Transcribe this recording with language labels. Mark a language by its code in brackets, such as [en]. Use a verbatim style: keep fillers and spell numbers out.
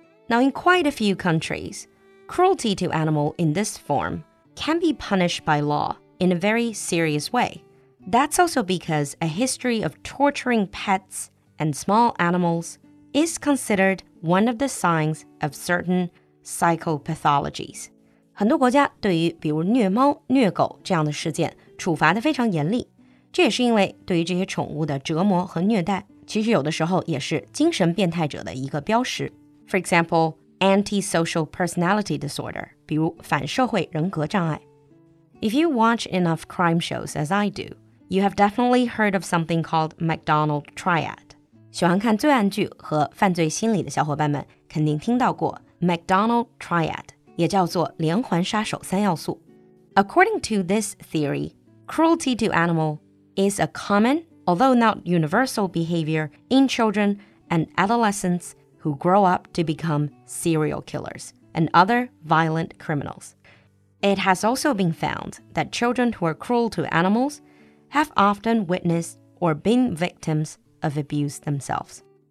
[en] Now, in quite a few countries, cruelty to animal in this form can be punished by law in a very serious way. That's also because a history of torturing pets and small animals is considered one of the signs of certain psychopathologies. [zh] 很多国家对于比如虐猫、虐狗这样的事件处罚得非常严厉。这也是因为对于这些宠物的折磨和虐待，其实有的时候也是精神变态者的一个标识。 [en] For example, antisocial personality disorder, [zh] 比如反社会人格障碍。 [en] If you watch enough crime shows as I do, you have definitely heard of something called McDonald Triad. [zh] 喜欢看罪案剧和犯罪心理的小伙伴们肯定听到过 McDonald Triad, 也叫做连环杀手三要素。 [en] According to this theory, cruelty to animal is a common, although not universal, behavior in children and adolescents who grow up to become serial killers and other violent criminals. It has also been found that children who are cruel to animals have often witnessed or been victims of abuse themselves.